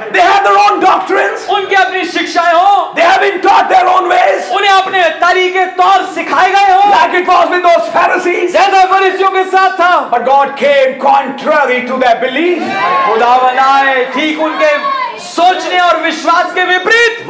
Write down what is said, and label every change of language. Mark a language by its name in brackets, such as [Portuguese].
[English] They have their own doctrines. [Hindi] उनकी अपनी शिक्षाएं हो. [English] They have been taught their own ways. [Hindi] उन्हें अपने तरीके तौर सिखाए गए हो. [English] Like it was with those Pharisees. [Hindi] जैसे फरीसियों के साथ था. [English] But God came contrary to their belief. [Hindi] खुदावन आए ठीक उनके सोचने और विश्वास के विपरीत.